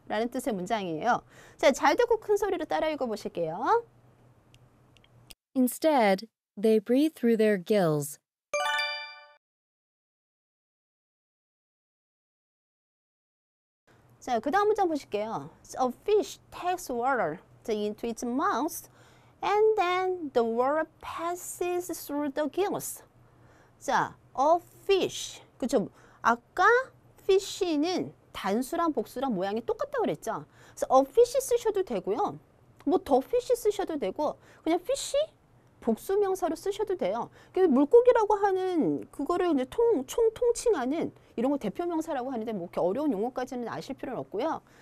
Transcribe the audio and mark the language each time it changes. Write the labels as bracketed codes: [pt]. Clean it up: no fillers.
[ko] 라는 뜻의 문장이에요. 자, 잘 듣고 큰 소리로 따라 읽어 보실게요. [en] Instead, they breathe through their gills. [ko] 자, 그 다음 문장 보실게요. [en] A fish takes water into its mouth and then the water passes through the gills. [ko] 자, a fish. 그쵸? 아까 fish는 단수랑 복수랑 모양이 똑같다고 그랬죠? [en] So a fish [ko] 쓰셔도 되고요. 뭐 더 fish 쓰셔도 되고 그냥 fish 복수명사로 쓰셔도 돼요. 물고기라고 하는 그거를 이제 총 통칭하는 이런 거 대표명사라고 하는데 뭐 이렇게 어려운 용어까지는 아실 필요는 없고요.